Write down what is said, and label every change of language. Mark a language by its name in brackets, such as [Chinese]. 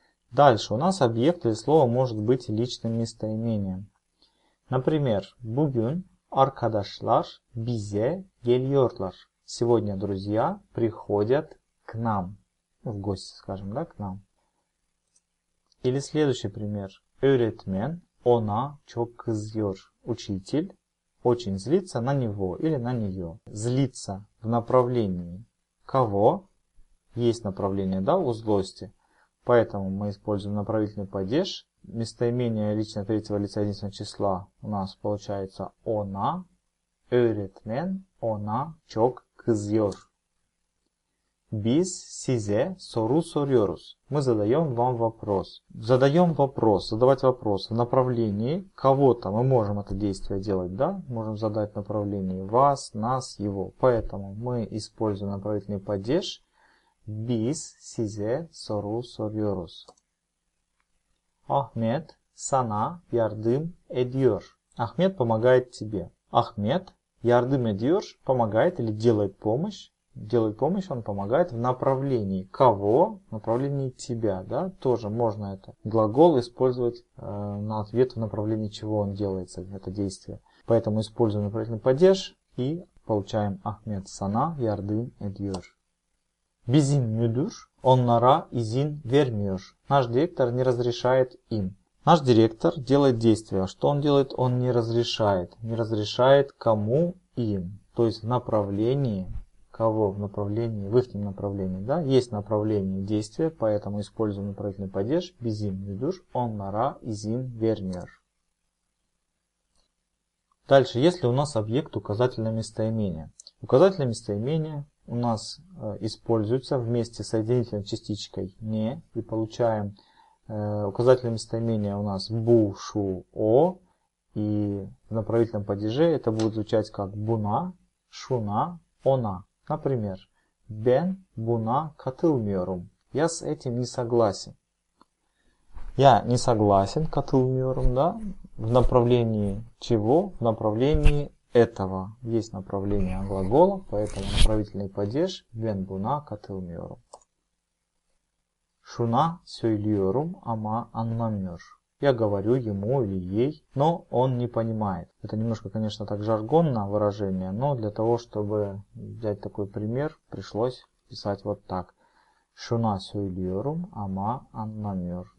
[Russian] Дальше у нас объект или слово может быть личным местоимением. Например, [Turkish] «бугюн аркадашлар бизе гельёрлар». [Russian] «Сегодня друзья приходят к нам». В гости, скажем, да, к нам. Или следующий пример. [Turkish] Öğretmen ona çok kızıyor. [Russian] Учитель очень злится на него или на нее. Злится в направлении кого? Есть направление, да, у злости. Поэтому мы используем направительный падеж. Местоимение личное третьего лица единственного числа у нас получается ona. [Turkish] Öğretmen ona çok kızıyor. Biz size soru soruyoruz. [Russian] Мы задаем вам вопрос. Задаем вопрос, задавать вопрос в направлении кого-то. Мы можем это действие делать, да? Можем задать направление вас, нас, его. Поэтому мы используем направительный падеж. [Turkish] Biz size soru soruyoruz. Ahmet sana yardım ediyor. [Russian] Ахмед помогает тебе. Ахмед, [Turkish] ярдым эдьёр, [Russian] помогает или делает помощь. Делает помощь, он помогает в направлении кого? В направлении тебя, да? Тоже можно это глагол использовать на ответ в направлении чего он делается, это действие. Поэтому используем направительный падеж и получаем [Turkish] Ахмед сана ярдым эдьёр. Bizim müdür onlara izin vermiyor. [Russian] Наш директор не разрешает им. Наш директор делает действие. Что он делает? Он не разрешает. Не разрешает кому им. То есть в направлении кого? В направлении, в их направлении. Да? Есть направление действия, поэтому используем направительный падеж. [Turkish] Bizim müdür onlara izin vermiyor. [Russian] Дальше. Если у нас объект указательное местоимение. Указательное местоимение у нас используется вместе с соединительной частичкой не. И получаем указательное местоимение у нас бу, шу, о. И в направительном падеже это будет звучать как буна, шуна, она. Например, [Turkish] ben buna katılmıyorum. [Russian] Я с этим не согласен. Я не согласен katılmıyorum, да? В направлении чего? В направлении этого. Есть направление глагола, поэтому направительный падеж [Turkish] ben buna katılmıyorum. Şuna söylüyorum ama anlamıyor. [Russian] Я говорю ему или ей, но он не понимает. Это немножко, конечно, так жаргонное выражение, но для того, чтобы взять такой пример, пришлось писать вот так. [Turkish] Şuna söylüyorum ama anlamıyor.